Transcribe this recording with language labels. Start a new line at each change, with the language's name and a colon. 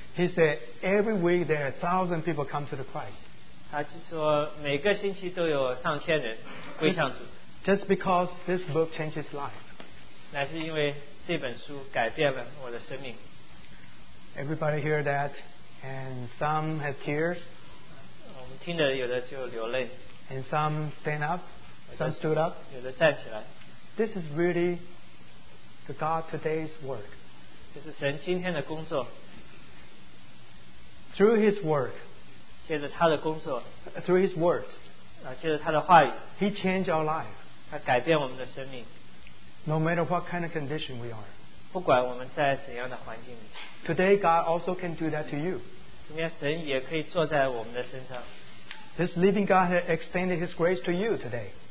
English: He said every week there are 1,000 people come to the Christ.
Chinese: 他就说每个星期都有上千人归向主。
English: Just because this book changed his life.
Chinese: 乃是因为这本书改变了我的生命。
English: Everybody hear that? And some have tears.
Chinese: 我们听的有的就流泪。
English: And some stand up. Some stood up.
Chinese: 有的站起来。
English: This is really the God today's work.
Chinese: 这是神今天的工作。
English: Through his work.
Chinese: 借着他的工作。
English: Through his words.
Chinese: 借着他的话语。
English: He changed our life.
Chinese: 他改变我们的生命。
English: No matter what kind of condition we are.
Chinese: 不管我们在怎样的环境里。
English: Today God also can do that to you.
Chinese: 今天神也可以坐在我们的身上。
English: This living God has extended his grace to you today.